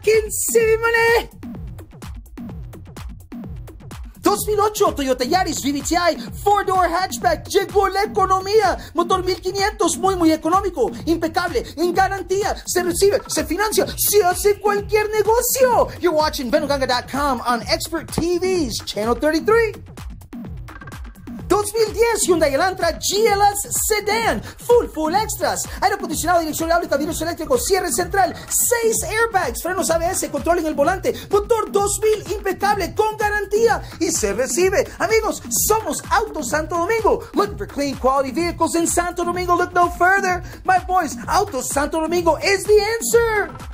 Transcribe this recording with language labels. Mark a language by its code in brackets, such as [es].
[es] ¿Quién se demane? 2008 Toyota Yaris VVT-i 4-door hatchback, llegó la economía, motor 1500, muy muy económico, impecable, en garantía, se recibe, se financia, se hace cualquier negocio. [en] You're watching Venuganga.com on Expert TV's Channel 33. [es] 2010 Hyundai Elantra GLS Sedan, full full extras, aire acondicionado, dirección hidráulica, vidrios eléctricos, cierre central, 6 airbags, frenos ABS, control en el volante, motor 2000, impecable, con garantía y se recibe. Amigos, somos Auto Santo Domingo. [en] Looking for clean quality vehicles in Santo Domingo? Look no further. My boys, Auto Santo Domingo is the answer.